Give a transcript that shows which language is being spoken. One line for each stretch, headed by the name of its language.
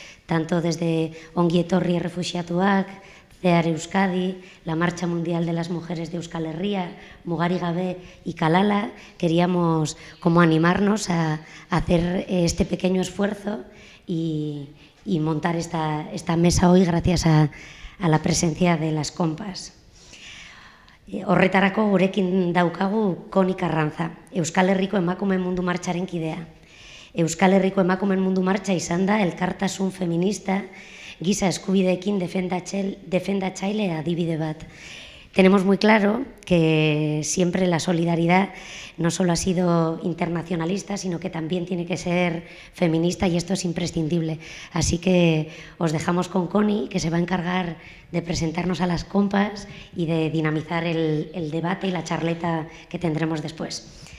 Spanish: Tanto desde Ongi Etorri Refuxiatuak, CEAR Euskadi, la Marcha Mundial de las Mujeres de Euskal Herria, Mugari Gabe y Kalala, queríamos como animarnos a hacer este pequeño esfuerzo y montar esta mesa hoy gracias a la presencia de las compas.
Basque: Horretarako gurekin daukagu Koni Karrantza, Euskal Herriko Emakumeen Mundu Martxaren kidea. Euskal Herriko Emakumeen Mundu Martxa izan da elkartasun feminista giza eskubideekin defendatzaile adibide bat.
Spanish: Tenemos muy claro que siempre la solidaridad no solo ha sido internacionalista, sino que también tiene que ser feminista y esto es imprescindible. Así que os dejamos con Koni, que se va a encargar de presentarnos a las compas y de dinamizar el debate y la charleta que tendremos después.